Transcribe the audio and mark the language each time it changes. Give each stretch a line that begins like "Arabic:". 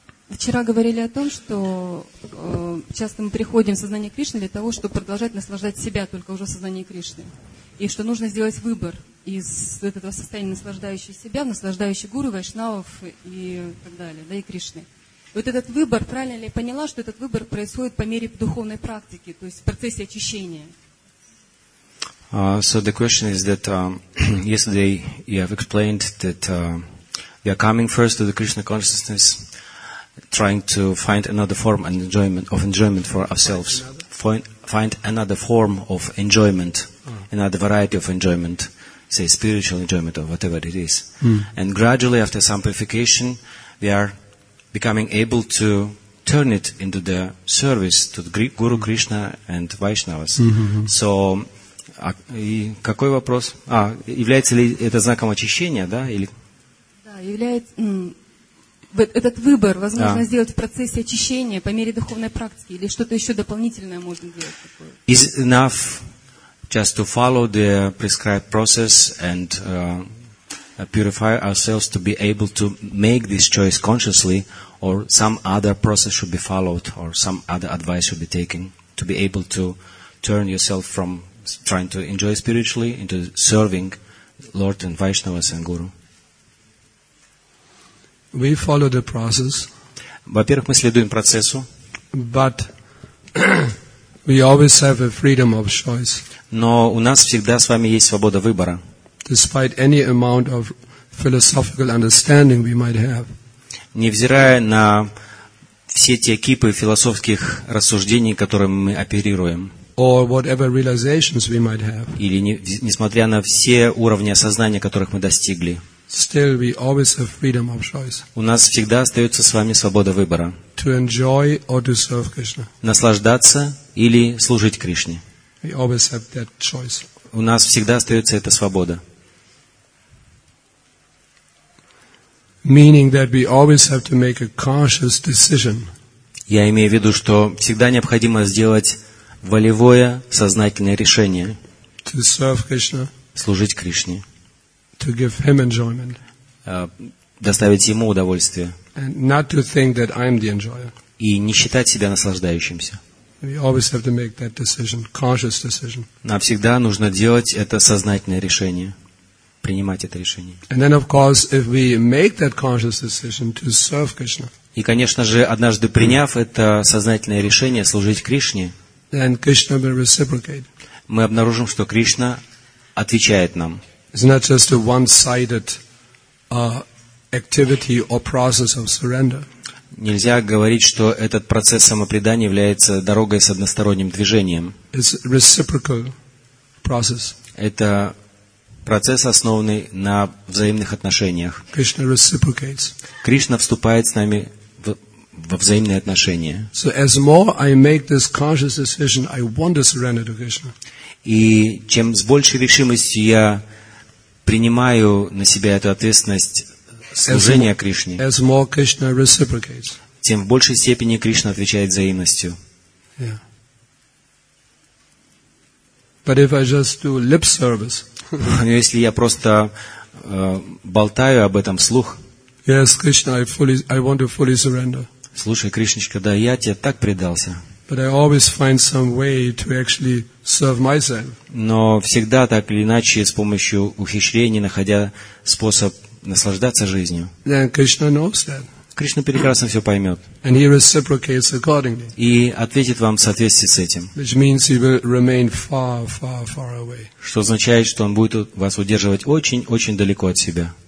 Russian: Вчера говорили о том, что часто мы приходим в сознание Кришны для того, чтобы продолжать наслаждать себя только уже в сознании Кришны. И что нужно сделать выбор из этого состояния наслаждающего себя, наслаждающего гуру, вайшнавов и так далее, да, и Кришны. Вот этот выбор, правильно ли я поняла, что этот выбор происходит по мере духовной практики, то есть в процессе очищения?
English: So the question is that yesterday you have explained that we are coming first to the Krishna consciousness, trying to find another form of enjoyment for ourselves, find another form of enjoyment, another variety of enjoyment, say spiritual enjoyment or whatever it is. And gradually after some purification, we are becoming able to turn it into the service to the Guru Krishna and Vaishnavas.
Russian: So, и какой вопрос? А, является ли это знаком очищения, да? Или... Да, является... этот выбор возможно да. сделать в процессе очищения по мере духовной практики или что-то еще дополнительное можно сделать такое?
English: Is enough just to follow the prescribed process and purify ourselves to be able to make this choice consciously, or some other process should be followed, or some other advice should be taken to be able to turn yourself from trying to enjoy spiritually into serving Lord and Vaishnavas and Guru? We follow the process.
Russian: Во-первых, мы следуем процессу.
English: But we always have a freedom of choice.
Russian: Но у нас всегда с вами есть свобода выбора.
English: Despite any amount of philosophical understanding we might have.
Russian: Невзирая на все те кипы философских рассуждений, которыми мы оперируем.
English: Or whatever realizations we might have.
Russian: Или несмотря на все уровни осознания, которых мы достигли.
English: Still we always have freedom of choice.
Russian: У нас всегда остается с вами свобода выбора.
English: To enjoy or to serve Krishna.
Russian: Наслаждаться или служить Кришне.
English: We always have that choice.
Russian: У нас всегда остается эта свобода.
English: Meaning that we always have to make a conscious decision.
Russian: Я имею в виду, что всегда необходимо сделать волевое, сознательное решение
English: to serve Krishna,
Russian: служить Кришне,
English: to give him enjoyment,
Russian: доставить ему удовольствие
English: and not to think that I'm the enjoyer.
Russian: И не считать себя наслаждающимся.
English: We always have to make that decision, conscious decision.
Russian: Нам всегда нужно делать это сознательное решение, принимать это решение.
English: And then, of course, if we make that conscious decision to serve Krishna,
Russian: и, конечно же, однажды приняв это сознательное решение служить Кришне,
English: then Krishna will reciprocate.
Russian: Мы обнаружим, что Кришна отвечает нам.
English: It's not just a one-sided activity or process of surrender.
Russian: Нельзя говорить, что этот процесс самопредания является дорогой с односторонним движением.
English: It's a reciprocal process.
Russian: Это процесс, основанный на взаимных отношениях.
English: Krishna reciprocates.
Russian: Кришна вступает с нами во взаимные отношения.
English: So as more I make this conscious decision, I want to surrender to Krishna.
Russian: И чем с большей решимостью я принимаю на себя эту ответственность служения Кришне,
English: as more Krishna reciprocates.
Russian: Тем в большей степени Кришна отвечает взаимностью.
English: Yeah. But if I just do lip service.
Russian: Но если я просто болтаю об этом вслух.
English: Yes, Krishna, I want to fully surrender.
Russian: Слушай, Кришнечка, да я тебе так предался.
English: But I always find some way to actually serve myself.
Russian: Но всегда так или иначе с помощью ухищрений, находя способ наслаждаться жизнью.
English: Then Krishna knows that.
Russian: Кришна прекрасно все поймет.
English: And he reciprocates accordingly.
Russian: И ответит вам в соответствии с этим.
English: Which means he will remain far, far, far away.
Russian: Что означает, что он будет вас удерживать очень, очень далеко от себя.